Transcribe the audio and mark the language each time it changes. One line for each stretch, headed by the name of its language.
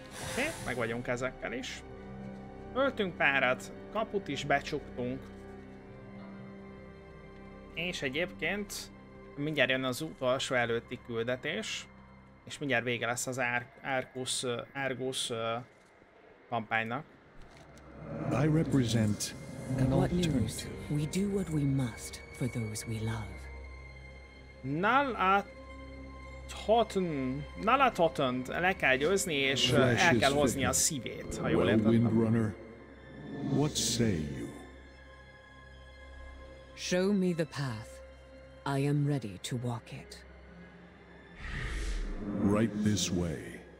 Hungarian: Oké, meg vagyunk ezekkel is. Öltünk párat, kaput is becsuktunk. És egyébként mindjárt jön az utolsó előtti küldetés. És mindjárt vége lesz az Argus kampánynak.
English: I represent an alternative. We do what we must for those we love.
Hungarian: Nalatotn, le kell győzni és el kell hozni a szívét, ha jól értettem.
English: Windrunner, what say you? Show me the path. I am ready to walk it. Right this way.